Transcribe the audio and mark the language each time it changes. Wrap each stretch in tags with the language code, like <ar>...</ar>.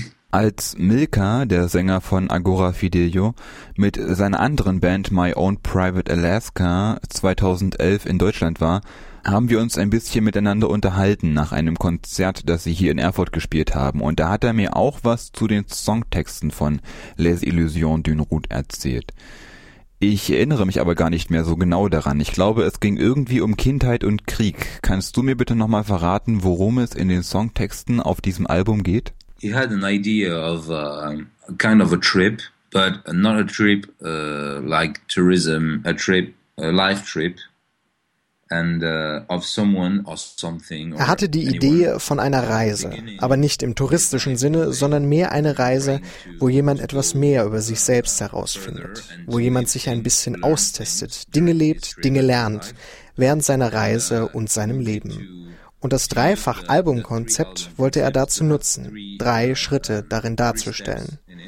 <de>Als Milka, der Sänger von Agora Fidelio, mit seiner anderen Band My Own Private Alaska 2011 in Deutschland war, haben wir uns ein bisschen miteinander unterhalten nach einem Konzert, das sie hier in Erfurt gespielt haben. Und da hat er mir auch was zu den Songtexten von Les Illusions d'une Route erzählt. Ich erinnere mich aber gar nicht mehr so genau daran. Ich glaube, es ging irgendwie um Kindheit und Krieg. Kannst du mir bitte nochmal verraten, worum es in den Songtexten auf diesem Album geht?</de> <en>He had an idea of a kind of a trip, but not a trip like tourism, a trip, a life trip. And, of someone or something or</en> <de>er hatte die Idee von einer Reise, aber nicht im touristischen Sinne, sondern mehr eine Reise, wo jemand etwas mehr über sich selbst herausfindet, wo jemand sich ein bisschen austestet, Dinge lebt, Dinge lernt, während seiner Reise und seinem Leben. Und das Dreifach-Album-Konzept wollte er dazu nutzen, drei Schritte darin darzustellen.</de>